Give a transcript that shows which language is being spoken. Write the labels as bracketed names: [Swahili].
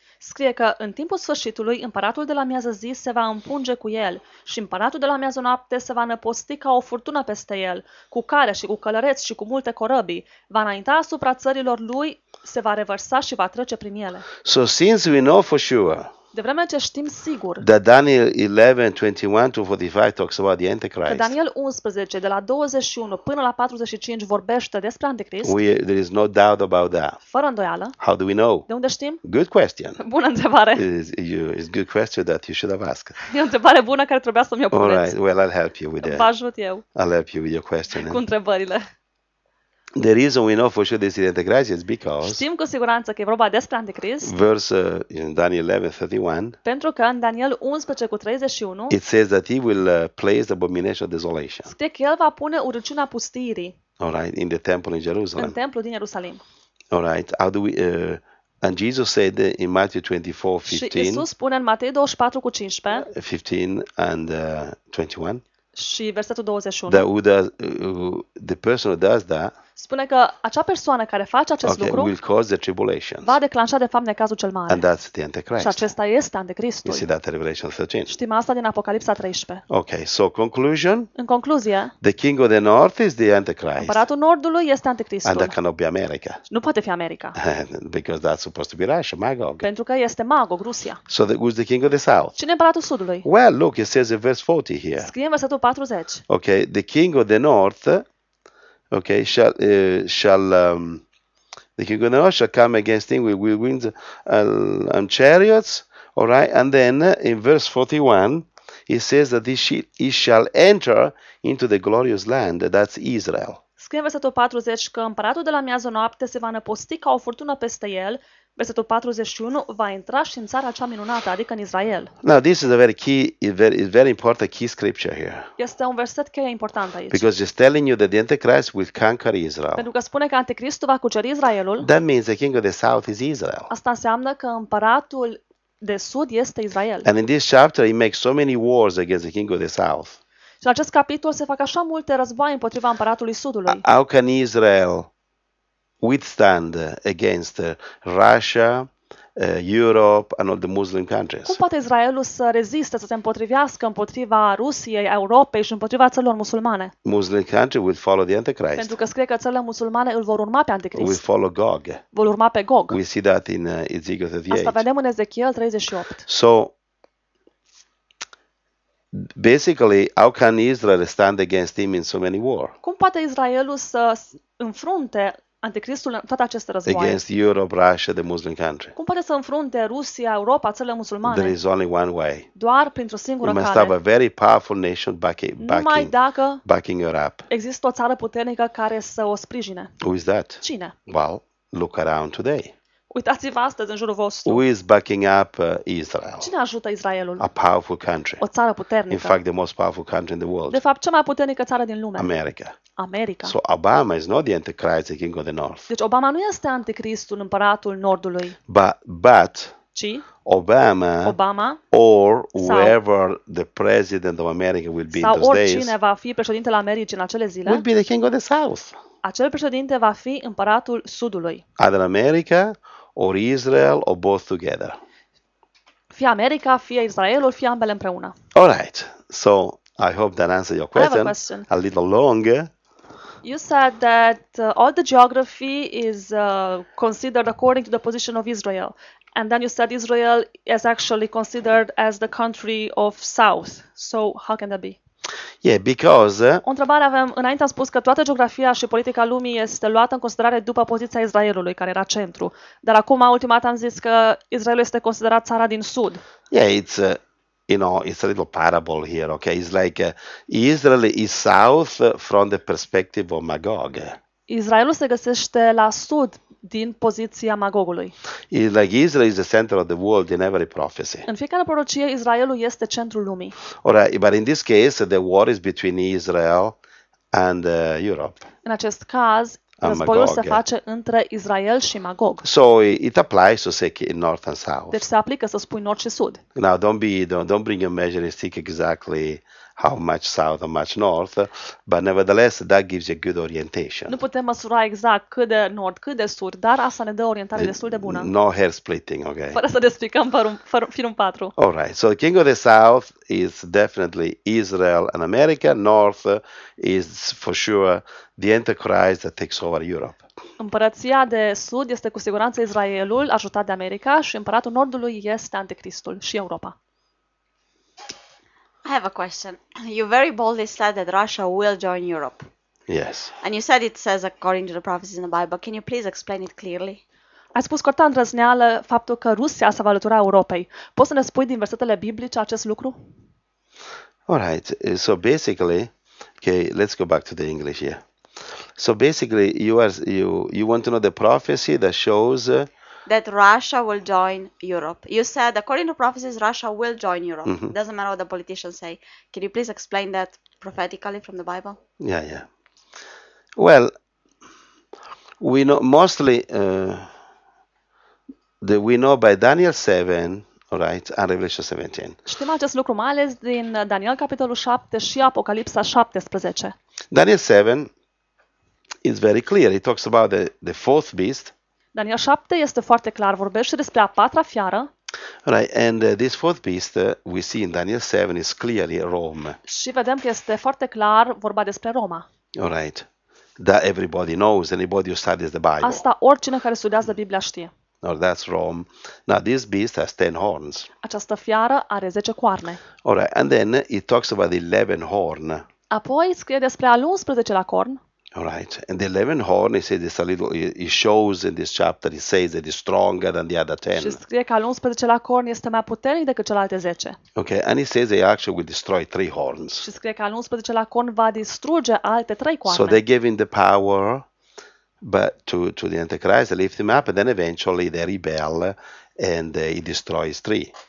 [Romanian] Scrie că în timpul sfârșitului, împăratul de la miază zi se va împunge cu el și împăratul de la miază noapte se va năposti ca o furtună peste el, cu cale și cu călăreți și cu multe corăbii. Va înainta asupra țărilor lui, se va revărsa și va trece prin ele. [English] So since we know for sure [Romanian] De vreme ce știm sigur. [English] That Daniel 11:21 to 45 talks about the Antichrist. [Romanian] Că Daniel 11 de la 21 până la 45 vorbește despre Anticrist. [English] There is no doubt about that. [Romanian] Fără îndoială. [English] How do we know? [Romanian] De unde știm? [English] Good question. [Romanian] Bună întrebare. [English] It's a good question that you should have asked. [Romanian] E o întrebare bună care trebuia să mi-o puneți. [English] All right, well, I'll help you with that. [Romanian] Vă ajut eu. [English] I'll help you with your question. [Romanian] Cu întrebările. [English] The reason we know for sure this is Antichrist is because [Romanian] știm cu siguranță că e vorba despre Anticrist. [English] Verse in Daniel 11:31. [Romanian] Pentru că în Daniel 11:31 [English] it says that he will place the abomination of desolation. [Romanian] Spune că el va pune urăciunea pustirii. [English] All right, in the temple in Jerusalem. [Romanian] În templu din Ierusalim. [English] All right, how do we and Jesus said in Matthew 24:15. [Romanian] Și Isus spune în Matei 24:15. [English] 15 and 21. [Romanian] Și versetul 21. [English] The person who does that [Romanian] spune că acea persoană care face acest [English] okay, [Romanian] lucru [English] will cause the tribulation. [Romanian] Va declanșa de fapt necazul cel mare. [English] And that's the Antichrist. [Romanian] Și acesta este Antichristul. [English] You see that in Revelation 13. [Romanian] Știm asta din Apocalipsa 13. [English] Okay, so conclusion. [Romanian] În concluzie. [English] The king of the north is the Antichrist. [Romanian] Împăratul nordului este Antichristul. [English] And that cannot be America. [Romanian] Nu poate fi America. [English] Because that's supposed to be Russia, Magog. [Romanian] Pentru că este Magog, Rusia. [English] So who's the king of the south? [Romanian] Cine e împăratul sudului? [English] Well, look, it says in verse 40 here. [Romanian] Scrie în versetul 40. [English] Okay, the king of the north okay, the king of the north shall come against him with winds and chariots, all right? And then in verse 41, he says that he shall enter into the glorious land, that's Israel. [Romanian] Scrie în versetul 40 că împăratul de la miază noapte se va năposti ca o furtună peste el. Versetul 41 va intra și în țara cea minunată, adică în Israel. [English] Now this is a very key, very important key scripture here. [Romanian] Este un verset cheie important aici. [English] Because it's telling you that the Antichrist will conquer Israel. [Romanian] Pentru că spune că Anticristul va cuceri Israelul. [English] That means the king of the south is Israel. [Romanian] Asta înseamnă că împăratul de sud este Israel. [English] And in this chapter he makes so many wars against the king of the south. [Romanian] Și în acest capitol se fac așa multe războaie împotriva împăratului sudului. [English] How can Israel withstand against Russia, Europe and all the Muslim countries. [Romanian] Cum poate Israelul să reziste, să se împotrivească împotriva Rusiei, Europei și împotriva țărilor musulmane? [English] Muslim country will follow the Antichrist. [Romanian] Pentru că scrie că țările musulmane îl vor urma pe Anticrist. [English] Will follow Gog. [Romanian] Vor urma pe Gog. [English] We see that in Ezekiel 38. [Romanian] Asta vedem în Ezechiel 38. [English] So basically, how can Israel stand against him in so many wars? [Romanian] Cum poate Israelul să înfrunte Anticristul în toate aceste războaie. [English] Against Europe, Russia, the Muslim country. [Romanian] Cum poate să înfrunte Rusia, Europa, țările musulmane? [English] There is only one way. [Romanian] Doar printr-o singură cale. [English] You must have a very powerful nation backing Europe. [Romanian] Există o țară puternică care să o sprijine. [English] Who is that? [Romanian] Cine? [English] Well, look around today. [Romanian] Uitați-vă astăzi în jurul vostru. [English] Who is backing up Israel? [Romanian] Cine ajută Israelul? [English] A powerful country. [Romanian] O țară puternică. [English] In fact, the most powerful country in the world. [Romanian] De fapt, cea mai puternică țară din lume. [English] America. [Romanian] America. [English] So Obama is not the Antichrist, the king of the north. [Romanian] Deci Obama nu este Anticristul, împăratul nordului. [English] But [Romanian] ci? [English] Obama or whoever the president of America will be in those days. [Romanian] Sau oricine va fi președintele Americii în acele zile. [English] Will be the king of the south. [Romanian] Acel președinte va fi împăratul sudului. [English] Either America or Israel or both together. [Romanian] Fie America, fie Israel, fie ambele împreună. [English] All right. So, I hope that answers your question. I have a question. A little longer. You said that all the geography is considered according to the position of Israel. And then you said Israel is actually considered as the country of South. So, how can that be? Yeah, because [Romanian] o întrebare avem, înainte am spus că toată geografia și politica lumii este luată în considerare după poziția Israelului, care era centru. Dar acum, ultima dată am zis că Israelul este considerat țara din sud. [English] Yeah, it's you know, it's a little parable here, okay? It's like Israel is south from the perspective of Magog. [Romanian] Israelul se găsește la sud din poziția Magogului. [English] It's like Israel is the center of the world in every prophecy. [Romanian] În fiecare prorocie, Israelul este centrul lumii. [English] Alright, but in this case, the war is between Israel and Europe. [Romanian] În acest caz, războiul se face între Israel și Magog. [English] So it applies to say north and south. [Romanian] Deci se aplică să spui nord și sud. [English] Now don't bring a measuring stick exactly how much south and much north, but nevertheless that gives you a good orientation. [Romanian] Nu putem măsura exact cât de nord, cât de sud, dar asta ne dă o orientare destul de bună. [English] No hair splitting, okay? [Romanian] Fără să despicăm firul patru. [English] All right. So the king of the south is definitely Israel and America. North is for sure the Antichrist that takes over Europe. [Romanian] împărăția de sud este cu siguranță Israelul, ajutat de America, și împăratul nordului este Anticristul și Europa. [English] I have a question. You very boldly said that Russia will join Europe. Yes. And you said it says according to the prophecies in the Bible. Can you please explain it clearly? [Romanian] Ai spus cu orta îndrăzneală faptul că Rusia se va alătura Europei. Poți să ne spui din versetele biblice acest lucru? [English] All right. So basically, okay, let's go back to the English here. So basically, you want to know the prophecy that shows that Russia will join Europe. You said, according to prophecies, Russia will join Europe. Mm-hmm. It doesn't matter what the politicians say. Can you please explain that prophetically from the Bible? Yeah, yeah. Well, we know mostly that we know by Daniel 7, all right, and Revelation 17. [Romanian] Știm acest lucru mai ales din Daniel capitolul 7 și Apocalipsa 17. [English] Daniel 7 is very clear. It talks about the fourth beast. [Romanian] Daniel 7 este foarte clar, vorbește despre a patra fiară. [English] Right, and this fourth beast we see in Daniel 7 is clearly Rome. [Romanian] Și vedem că este foarte clar vorba despre Roma. [English] All right. That everybody knows, anybody who studies the Bible. Asta oricine care studiază Biblia știe. No, that's Rome. Now this beast has 10 horns. [Romanian] Această fiară are 10 coarne. [English] All right, and then it talks about the 11 horn. [Romanian] Apoi scrie despre al 11-lea corn. [English] All right, and the 11 horn, he shows in this chapter, he says that it's stronger than the other 10. [Romanian] Și scrie că al 11-lea corn este mai puternic decât celelalte 10. [English] Okay, and he says they actually will destroy 3 horns. [Romanian] Și scrie că al 11-lea corn va distruge alte 3 coarne. [English] So they give him the power, but to the Antichrist, they lift him up, and then eventually they rebel, and he destroys 3.